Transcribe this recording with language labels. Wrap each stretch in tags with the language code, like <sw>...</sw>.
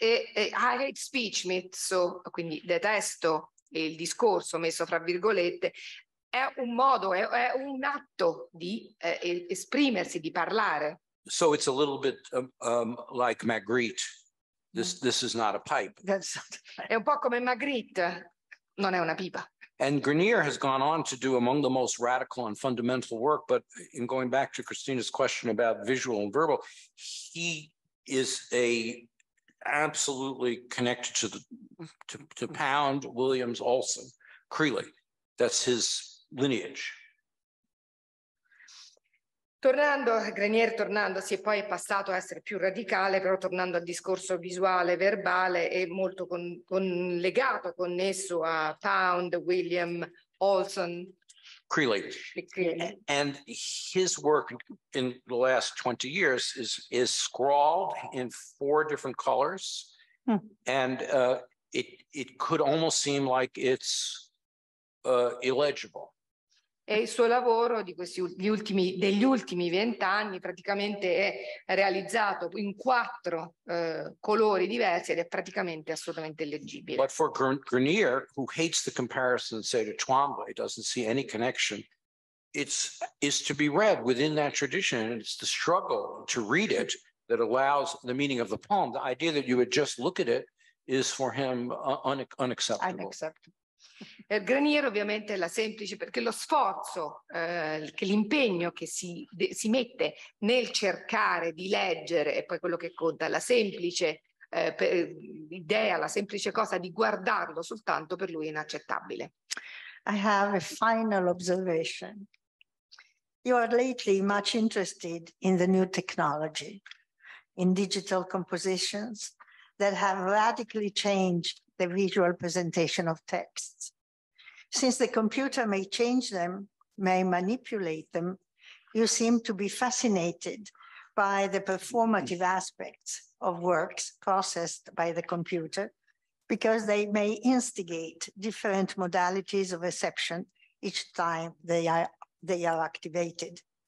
<en>I hate speech,</en> <it>messo, quindi detesto il discorso, messo fra virgolette, è un modo, è un atto di esprimersi, di parlare.</it> <en>So it's a little bit like Magritte. This is not a pipe.</en> <it>È un po' come Magritte, non è una pipa.</it> <en>And Grenier has gone on to do among the most radical and fundamental work, but in going back to Christina's question about visual and verbal, he is absolutely connected to to Pound, Williams, Olson, Creeley. That's his lineage.</en> <it>Tornando, Grenier tornando, si è poi passato a essere più radicale, però tornando al discorso visuale, verbale, è molto legato, connesso a Pound, William, Olson. Creeley.</it> <en>And his work in the last 20 years is scrawled in four different colors. Hmm. And it could almost seem like it's illegible.</en> <it>E il suo lavoro di questi ultimi, degli ultimi vent'anni praticamente è realizzato in quattro colori diversi ed è praticamente assolutamente illeggibile.</it> <en>But for Grenier, who hates the comparison, say to Twombly, doesn't see any connection, is to be read within that tradition, and it's the struggle to read it that allows the meaning of the poem. The idea that you would just look at it is for him unacceptable.</en> <it>Per Grenier ovviamente è la semplice, perché lo sforzo, l'impegno che si mette nel cercare di leggere, e poi quello che conta, la semplice idea, la semplice cosa di guardarlo soltanto, per lui è inaccettabile.</it> <en>I have a final observation. You are lately much interested in the new technology, in digital compositions that have radically changed the visual presentation of texts. Since the computer may change them, may manipulate them, you seem to be fascinated by the performative aspects of works processed by the computer, because they may instigate different modalities of reception each time they are activated.</en>